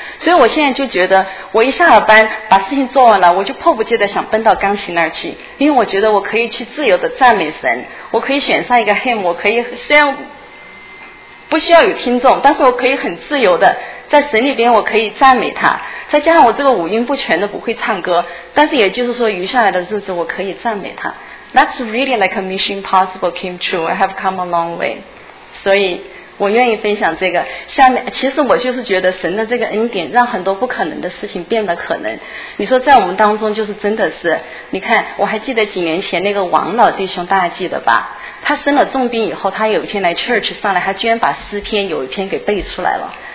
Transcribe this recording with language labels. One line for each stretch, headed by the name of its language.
Chinese: 所以我现在就觉得我一下了班把事情做完了，我就迫不及待想奔到钢琴那儿去，因为我觉得我可以去自由的赞美神，我可以选上一个 hymn， 我可以虽然不需要有听众，但是我可以很自由的在神里边，我可以赞美他，再加上我这个五音不全的不会唱歌，但是也就是说余下来的日子我可以赞美他。
English: That's really like a mission possible came true. I have come a long way.
Chinese: 所以我愿意分享这个。下面其实我就是觉得神的这个恩典让很多不可能的事情变得可能。你说在我们当中就是真的是，你看我还记得几年前那个王老弟兄，大家记得吧，他生了重病以后，他有一天来 church 上来，他居然把诗篇有一篇给背出来了。